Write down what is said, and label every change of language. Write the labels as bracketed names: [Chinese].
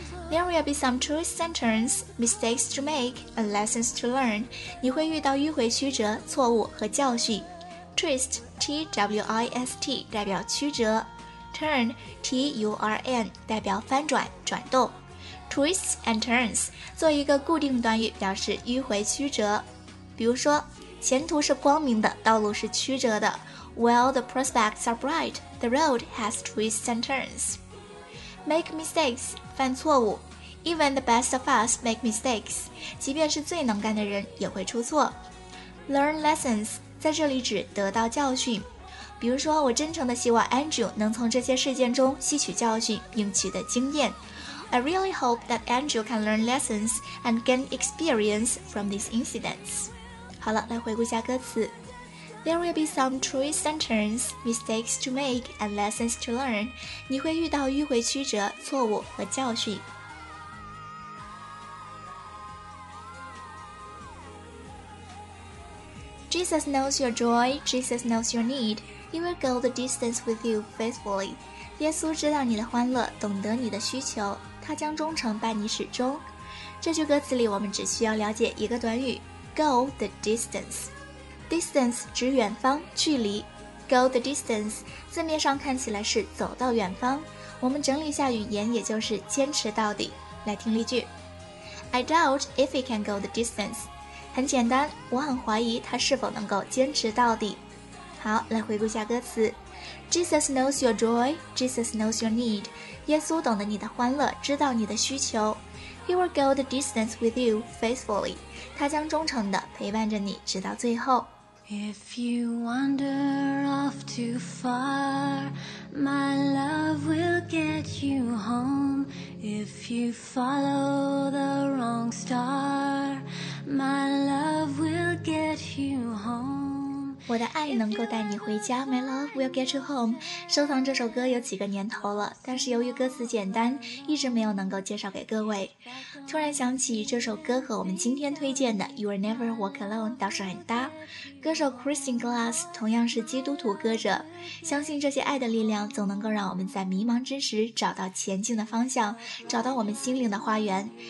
[English] There will be some twists and turns, mistakes to make, and lessons to learn. [Chinese] 你会遇到迂回曲折、错误和教训。 Twist, T-W-I-S-T, 代表曲折。 Turn, T-U-R-N, 代表翻转、转动。 Twists and turns, 做一个固定短语表示迂回曲折。比如说，前途是光明的，道路是曲折的。 [English] While the prospects are bright, the road has twists and turns. Make mistakes, [Chinese] 犯错误。 [English] Even the best of us make mistakes, [Chinese] 即便是最能干的人也会出错。 Learn lessons, 在这里指得到教训。比如说，我真诚地希望 Andrew 能从这些事件中吸取教训并取得经验。 [English] I really hope that Andrew can learn lessons and gain experience from these incidents. [Chinese] 好了，来回顾一下歌词。 [English] There will be some twists and turns, mistakes to make, and lessons to learn. [Chinese] 你会遇到迂回曲折、错误和教训。 [English] Jesus knows your joy, Jesus knows your need. He will go the distance with you faithfully. [Chinese] 耶稣知道你的欢乐，懂得你的需求，他将忠诚伴你始终。这句歌词里我们只需要了解一个短语， [English] go the distance. [Chinese] Distance 指远方、距离。 [English] Go the distance [Chinese] 字面上看起来是走到远方，我们整理一下语言，也就是坚持到底。来听例句， [English] I doubt if he can go the distance. [Chinese] 很简单，我很怀疑他是否能够坚持到底。好，来回顾一下歌词。 [English] Jesus knows your joy, Jesus knows your need. [Chinese] 耶稣懂得你的欢乐，知道你的需求。 [English] He will go the distance with you faithfully. [Chinese] 他将忠诚地陪伴着你直到最后。 [English] If you wander off too far, my love will get you home. If you follow the wrong star, my love will get you home. [Chinese] 我的爱能够带你回家， [English] my love will get you home. [Chinese] 收藏这首歌有几个年头了，但是由于歌词简单，一直没有能够介绍给各位。突然想起这首歌和我们今天推荐的 You Will Never Walk Alone 倒是很搭。歌手 Christine Glass 同样是基督徒歌者，相信这些爱的力量总能够让我们在迷茫之时找到前进的方向，找到我们心灵的花园。